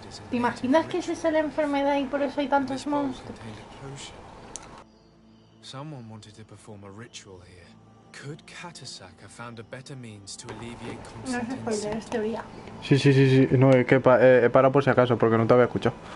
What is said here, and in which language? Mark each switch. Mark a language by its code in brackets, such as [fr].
[es] ¿Te imaginas que es esa la enfermedad y por eso hay tantos monstruos? [en] Someone wanted to perform a ritual here. Could Katasak have found a better means to alleviate Constantine's... [es] No, sí. No, es que he parado por si acaso, porque no te había escuchado.